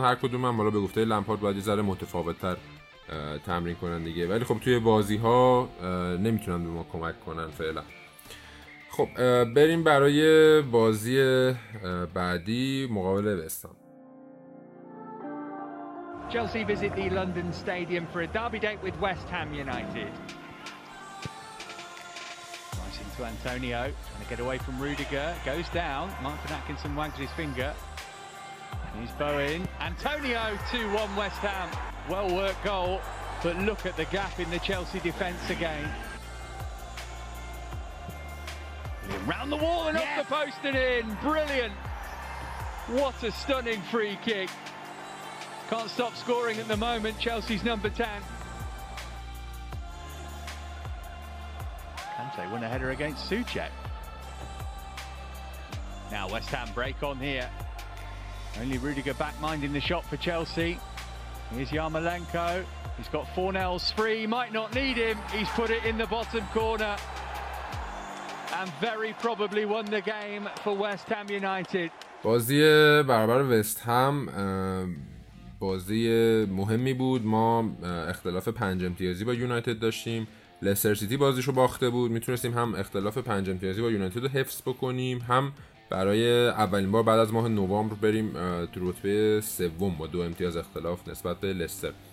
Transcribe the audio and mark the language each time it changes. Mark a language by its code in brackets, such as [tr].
[fa] هر کدوم هم حالا به گفته لمپارد باید یه ذره متفاوت‌تر تمرین کنن دیگه، ولی خب توی بازی‌ها نمیتونن به ما کمک کنن فعلا. خب بریم برای بازی بعدی مقابل وستام. [en] Chelsea visit the London Stadium for a derby date with West Ham United. Rising to Antonio, trying to get away from Rudiger, goes down, Martin Atkinson wags his finger, and he's Bowen. Antonio 2-1 West Ham, well worked goal, but look at the gap in the Chelsea defence again. Round the wall and yes! Up the post and in, brilliant. What a stunning free kick. Can't stop scoring at the moment, Chelsea's number 10. Kante won a header against Suchet. Now West Ham break on here. Only Rudiger back minding the shot for Chelsea. Here's Yarmolenko. He's got Fornells free, might not need him. He's put it in the bottom corner. And very probably won the game for West Ham United. [fa] بازی برابر وست هم بازی مهمی بود. ما اختلاف 5 امتیازی با یونایتد داشتیم، لستر سیتی بازیشو باخته بود، میتونستیم هم اختلاف 5 امتیازی با یونایتد رو حفظ بکنیم، هم برای اولین بار بعد از ماه نوامبر بریم در رتبه سوم با 2 امتیاز اختلاف نسبت به لستر.